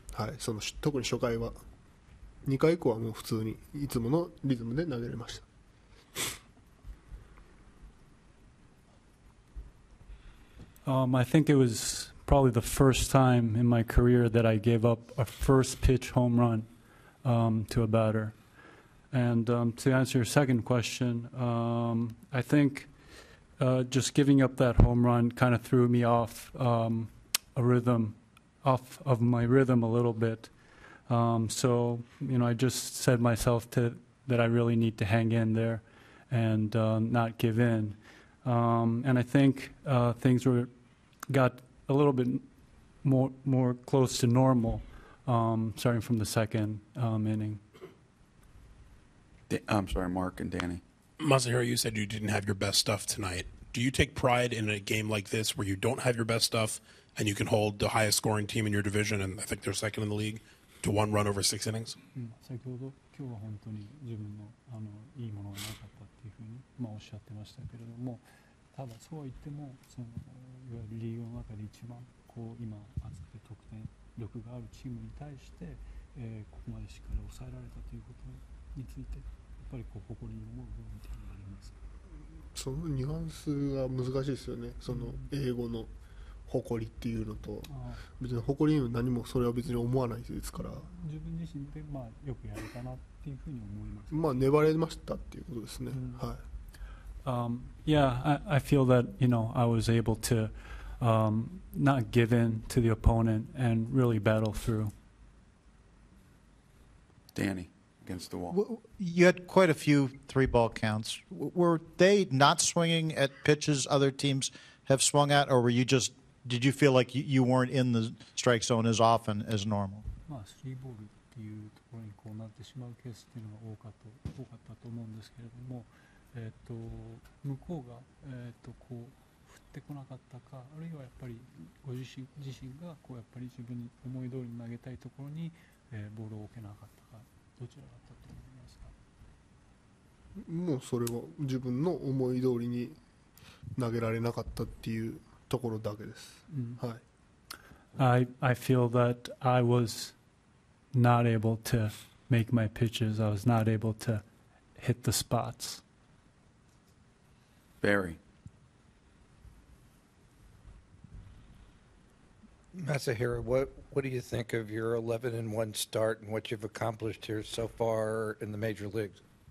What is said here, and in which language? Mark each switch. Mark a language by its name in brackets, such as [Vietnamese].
[Japanese] はい、その特に初回は、2回以降はもう普通にいつものリズムで投げれました。 [English] I think it was probably the first time in my career that I gave up a first pitch home run to a batter. And to answer your second question, I think just giving up that home run kind of threw me off a rhythm, off of my rhythm a little bit. So, you know, I just said myself to that I really need to hang in there and not give in. And I think things were. Got a little bit more close to normal, starting from the second inning. I'm sorry, Mark and Danny. Masahiro, you said you didn't have your best stuff tonight. Do you take pride in a game like this where you don't have your best stuff and you can hold the highest scoring team in your division, and I think they're second in the league, to one run over six innings? [Japanese] 先ほど、今日は本当に自分の、いいものがなかったっていうふうに、まあ、おっしゃってましたけれども、ただ、そうは言っても、そのいわゆるリーグの中で一番こう今、熱くて得点力があるチームに対して、ここまでしっかり抑えられたということについて、やっぱりこう誇りに思う部分というのはありますか？そのニュアンスが難しいですよね。その英語の誇りっていうのと、別に誇りにも何もそれは別に思わないですから。自分自身で、まあ、よくやれたなっていうふうに思いますか？まあ、粘れましたっていうことですね。はい。 [English] Yeah, I feel that, you know, I was able to not give in to the opponent and really battle through. Danny, against the wall. You had quite a few three ball counts. Were they not swinging at pitches other teams have swung at, or were you just, did you feel like you weren't in the strike zone as often as normal? [Japanese] まあ、スリーボールっていうところにこうなってしまうケースっていうのが多かったと思うんですけれども、向こうが、こう振ってこなかったか、あるいはやっぱりご自身がこうやっぱり自分に思い通りに投げたいところに、ボールを置けなかったか、どちらだったと思いますか？もうそれは自分の思い通りに投げられなかったっていうところだけです。はい。 [English] I feel that I was not able to make my pitches. I was not able to hit the spots. Barry. Masahiro, what do you think of your 11-1 start and what you've accomplished here so far in the major leagues?